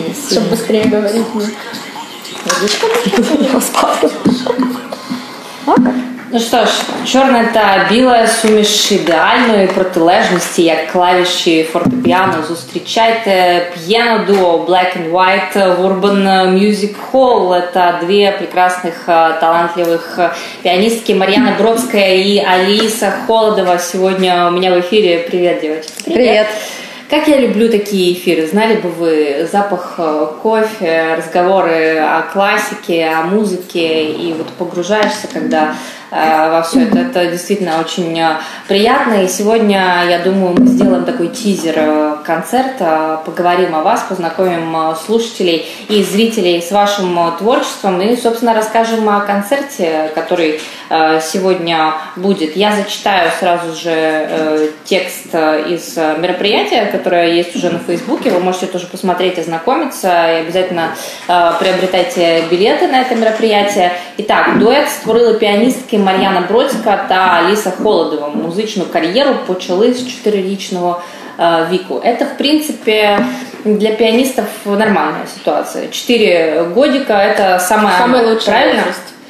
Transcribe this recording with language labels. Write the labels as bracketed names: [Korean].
[Russian] Чтобы быстрее говорить. [Ukrainian] Ну что ж, чорне та біле суміш ідеальної протилежності, як клавіші фортепіано. Зустрічайте п'єно дуо Black and White в Urban Music Hall. Та дві прекрасних талантливих піаністки Мар'яна Бровська і Аліса Холодова сьогодні у мене в ефірі. Привіт, дівчата. Привіт. [Russian] Как я люблю такие эфиры. Знали бы вы запах кофе, разговоры о классике, о музыке, и вот погружаешься, когда во все это действительно очень приятно. И сегодня, я думаю, мы сделаем такой тизер концерта, поговорим о вас, познакомим слушателей и зрителей с вашим творчеством и, собственно, расскажем о концерте, который сегодня будет. Я зачитаю сразу же текст из мероприятия, которое есть уже на Фейсбуке. Вы можете тоже посмотреть, ознакомиться и обязательно приобретайте билеты на это мероприятие. [Ukrainian] Итак, дуэт створили пианистки Мар'яна Бродська та Аліса Холодова. Музичну кар'єру почали з 4-річного віку. Це, в принципі, для піаністів нормальна ситуація. 4 годика – це найкраща можливість.